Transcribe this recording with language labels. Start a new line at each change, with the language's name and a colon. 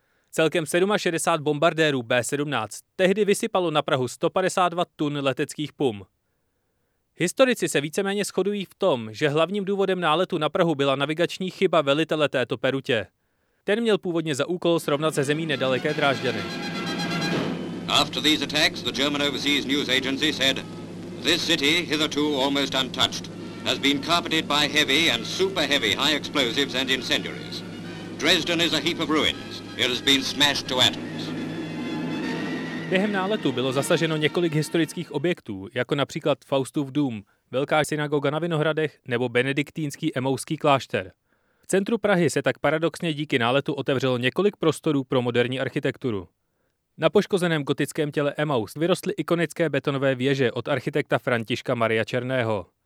Czech: Celkem 67 bombardérů B-17 tehdy vysypalo na Prahu 152 tun leteckých pum. Historici se víceméně shodují v tom, že hlavním důvodem náletu na Prahu byla navigační chyba velitele této perutě. Ten měl původně za úkol srovnat se zemí nedaleké Drážďany.
English: After these attacks, the German overseas news agency said, this city hitherto almost untouched has been carpeted by heavy and super heavy high explosives and incendiaries. Dresden is a heap of ruins. It has been smashed to atoms.
Czech: Během náletu bylo zasaženo několik historických objektů, jako například Faustův dům, Velká synagoga na Vinohradech nebo benediktínský Emouzský klášter. V centru Prahy se tak paradoxně díky náletu otevřelo několik prostorů pro moderní architekturu. Na poškozeném gotickém těle Emaus vyrostly ikonické betonové věže od architekta Františka Maria Černého.